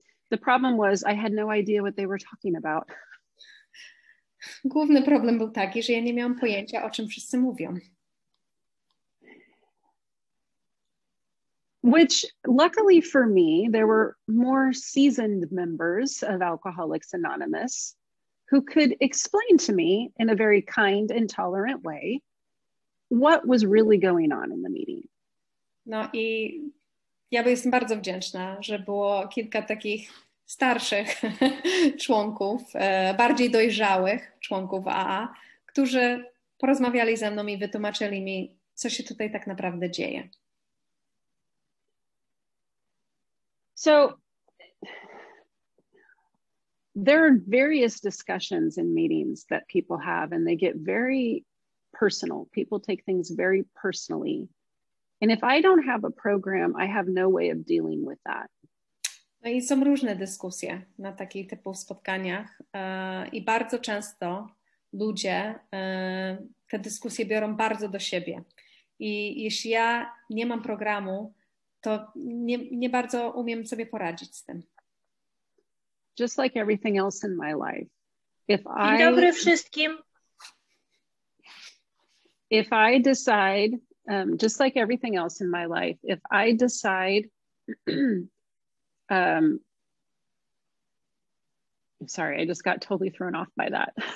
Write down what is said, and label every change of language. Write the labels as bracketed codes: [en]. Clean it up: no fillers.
[en] The problem was I had no idea what they were talking about. [pl] Główny problem był taki, że ja nie miałam pojęcia, o czym wszyscy mówią. [en] Which, luckily for me, there were more seasoned members of Alcoholics Anonymous who could explain to me in a very kind and tolerant way what was really going on in the meeting. [pl] No i ja jestem bardzo wdzięczna, że było kilka takich starszych członków, bardziej dojrzałych członków AA, którzy porozmawiali ze mną i wytłumaczyli mi, co się tutaj tak naprawdę dzieje. [en] So there are various discussions in meetings that people have and they get very personal. People take things very personally. And if I don't have a program, I have no way of dealing with that. [pl] No i są różne dyskusje na takich typów spotkaniach i bardzo często ludzie te dyskusje biorą bardzo do siebie. I jeśli ja nie mam programu, to nie bardzo umiem sobie poradzić z tym. [en] Just like everything else in my life. [pl] Dzień dobry wszystkim. [en] If I decide, just like everything else in my life, if I decide, I'm sorry, I just got totally thrown off by that.